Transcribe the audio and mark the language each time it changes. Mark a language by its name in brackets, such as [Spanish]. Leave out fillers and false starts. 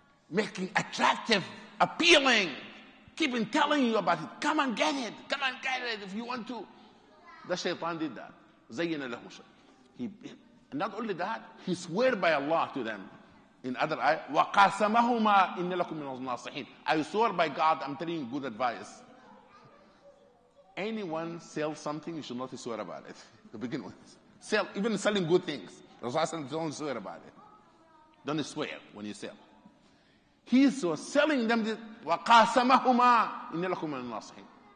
[English] Making attractive, appealing, keeping telling you about it. Come and get it. Come and get it if you want to. The shaitan did that. Zayyin alayhi wa sallam. Not only that, he swear by Allah to them. In other ayah, [Arabic] وَقَاسَمَهُمَا إِنَّ لَكُمْ مِنَ النَّاصِحِينَ. [English] I swear by God, I'm telling you good advice. Anyone sell something, you should not swear about it. To begin with. Sell, even selling good things. Rasulullah, don't swear about it. Don't swear when you sell. He was selling them this, [Arabic] وَقَاسَمَهُمَا إِنَّ لَكُمْ مِنَ النَّاصِحِينَ.